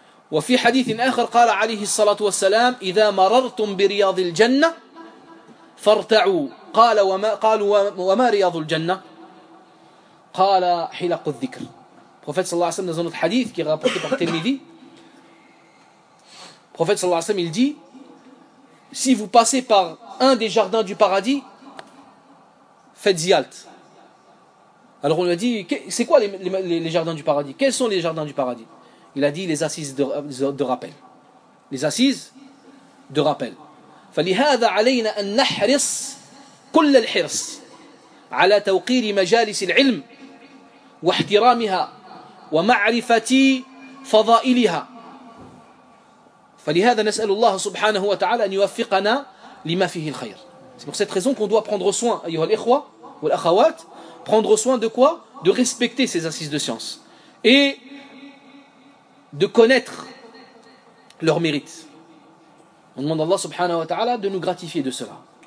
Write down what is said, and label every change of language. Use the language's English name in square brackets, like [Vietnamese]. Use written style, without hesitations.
[Arabic] وفي حديث آخر قال عليه الصلاة والسلام: إذا مررتم برياض الجنة فارتعوا. قال وما قالوا وما رياض الجنة؟ قال حلق الذكر. [French] Prophète صلى الله عليه وسلم, dans un autre hadith qui est rapporté par Tirmidhi, Prophète صلى الله عليه وسلم, il dit: si vous passez par un des jardins du paradis, faites-y halte. Alors on lui a dit: c'est quoi les jardins du paradis? Quels sont les jardins du paradis? Il a dit: les assises de rappel. Les assises de rappel. [Arabic] فلهذا علينا أن نحرص كل الحرص على توقير مجالس العلم واحترامها ومعرفة فضائلها. فلهذا نسأل الله سبحانه وتعالى أن يوفقنا لما فيه الخير. [French] C'est pour cette raison qu'on doit prendre soin, [Arabic] ayyuha al-ikhwa ou al-akhawat, [French] prendre soin de quoi? De respecter ces assises de science. Et de connaître leur mérite. On demande à Allah subhanahu wa ta'ala de nous gratifier de cela.